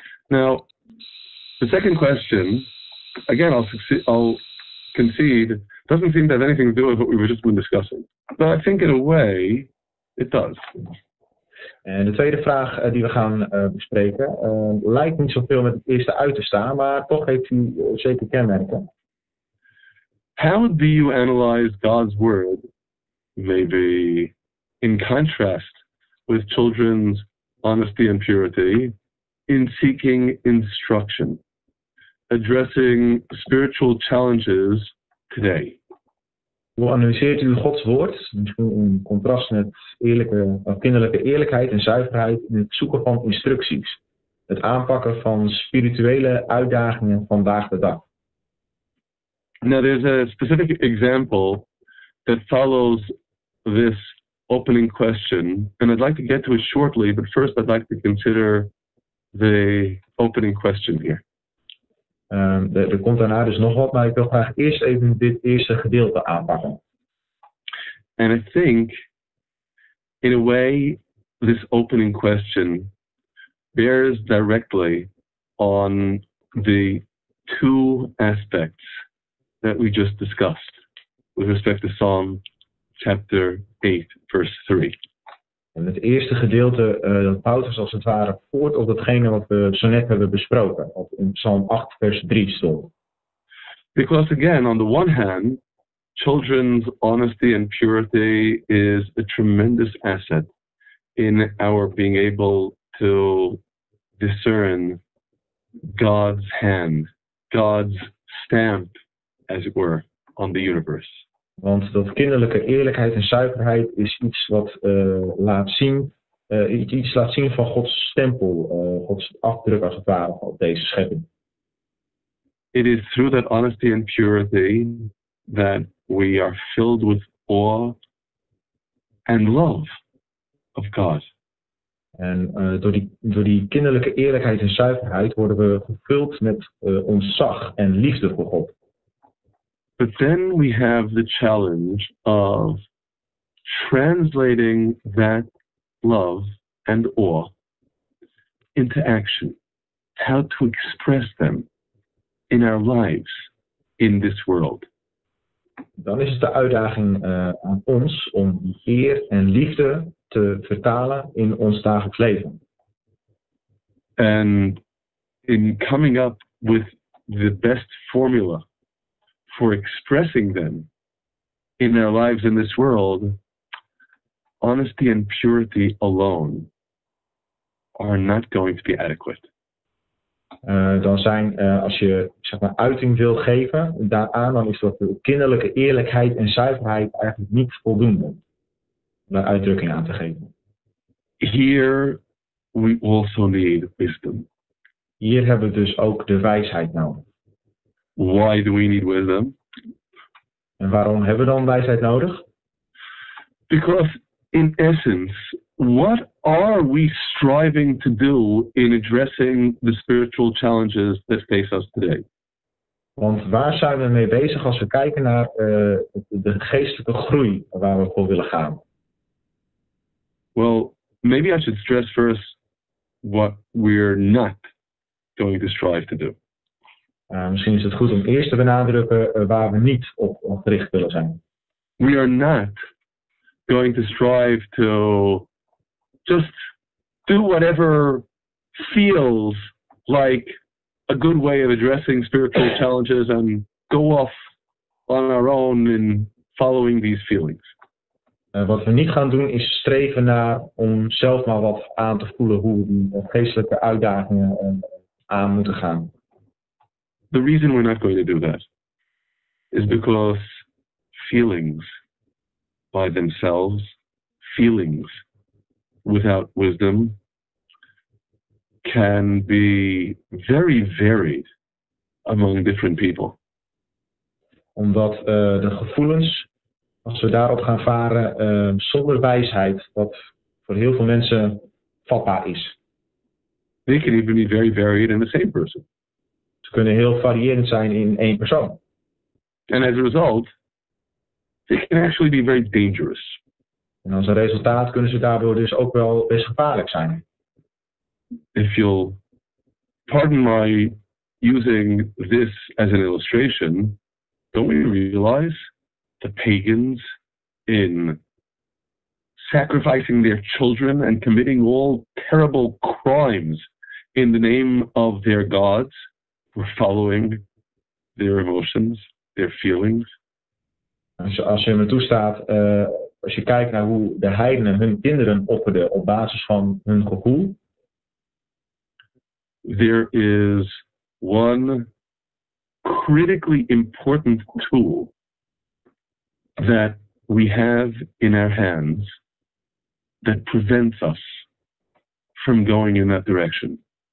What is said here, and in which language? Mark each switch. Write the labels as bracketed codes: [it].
[en] Now, the second question, again, I'll concede, doesn't seem to have anything to do with what we were just been discussing. But I think in a way, it does. [nl] En de tweede vraag die we gaan bespreken lijkt niet zoveel met het eerste uit te staan, maar toch heeft hij zeker kenmerken. [en] How do you analyze God's word, maybe in contrast with children's honesty and purity, in seeking instruction, addressing spiritual challenges today? [nl] Hoe analyseert u Gods woord, misschien in contrast met kinderlijke eerlijkheid en zuiverheid in het zoeken van instructies, het aanpakken van spirituele uitdagingen vandaag de dag? [en] Now, there's a specific example that follows this opening question, and I'd like to get to it shortly, but first I'd like to consider the opening question here. [nl] Er komt daarna dus nog wat, maar ik wil graag eerst even dit eerste gedeelte aanpakken. [en] And I think, in a way, this opening question bears directly on the two aspects that we just discussed with respect to Psalm chapter 8, verse 3. [nl] En het eerste gedeelte dat bouwt dus als het ware voort op datgene wat we zo net hebben besproken, wat in Psalm 8, vers 3 stond. [en] Because again, on the one hand, children's honesty and purity is a tremendous asset in our being able to discern God's hand, God's stamp, as it were, on the universe. [nl] Want dat kinderlijke eerlijkheid en zuiverheid is iets wat laat zien, iets laat zien van Gods stempel, Gods afdruk als het ware op deze schepping. [en] It is through that honesty and purity that we are filled with awe and love of God. [nl] En door die kinderlijke eerlijkheid en zuiverheid worden we gevuld met ontzag en liefde voor God. [en] But then we have the challenge of translating that love and awe into action, how to express them in our lives in this world. [nl] Dan is het de uitdaging aan ons om eer en liefde te vertalen in ons dagelijks leven. [en] And in coming up with the best formula for expressing them in their lives in this world, honesty and purity alone are not going to be adequate. [nl] Dan zijn, als je zeg maar, uiting wil geven daaraan, dan is dat de kinderlijke eerlijkheid en zuiverheid eigenlijk niet voldoende om daar uitdrukking aan te geven. [en] Here we also need wisdom. [nl] Hier hebben we dus ook de wijsheid nodig. [en] Why do we need wisdom? [nl] En waarom hebben we dan wijsheid nodig? [en] Because in essence, what are we striving to do in addressing the spiritual challenges that face us today? [nl] Want waar zijn we mee bezig als we kijken naar de geestelijke groei waar we voor willen gaan? [en] Well, maybe I should stress first what we're not going to strive to do. [nl] Misschien is het goed om eerst te benadrukken waar we niet op gericht willen zijn. [en] We are not going to strive to just do whatever feels like a good way of addressing spiritual challenges and go off on our own in following these feelings. [nl] Wat we niet gaan doen is streven naar om zelf maar wat aan te voelen hoe we die geestelijke uitdagingen aan moeten gaan. [en] The reason we're not going to do that is because feelings by themselves, feelings without wisdom, can be very varied among different people. [nl] Omdat de gevoelens, als we daarop gaan varen, zonder wijsheid, wat voor heel veel mensen vatbaar is. [en] They can even be very varied in the same person. [nl] Ze kunnen heel variërend zijn in één persoon. [en] And as a result, it can actually be very dangerous. [nl] En als een resultaat kunnen ze daardoor dus ook wel best gevaarlijk zijn. [en] If you'll pardon my using this as an illustration, don't we realize the pagans in sacrificing their children and committing all terrible crimes in the name of their gods were following their emotions, their feelings? [nl] Als je me toestaat, als je kijkt naar hoe de heidenen hun kinderen opperden op basis van hun gevoel. [en] There is one critically important tool that we have in our hands that prevents us from going in that direction.